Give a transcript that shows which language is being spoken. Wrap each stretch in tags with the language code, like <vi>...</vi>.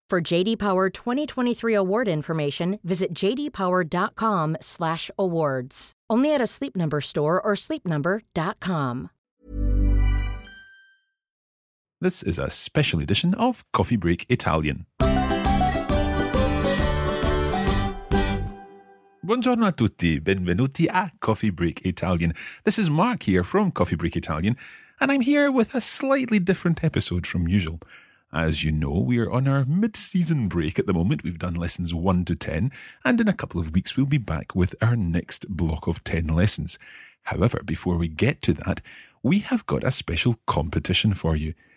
<en>For JD Power 2023 award information, visit jdpower.com/awards. Only at a Sleep Number store or sleepnumber.com. This is a special edition of Coffee Break Italian.</en> <it>Buongiorno a tutti, benvenuti a Coffee Break Italian.</it> <en>This is Mark here from Coffee Break Italian, and I'm here with a slightly different episode from usual. As you know, we are on our mid-season break at the moment. We've done lessons 1 to 10, and in a couple of weeks we'll be back with our next block of 10 lessons. However, before we get to that, we have got a special competition for you.</en>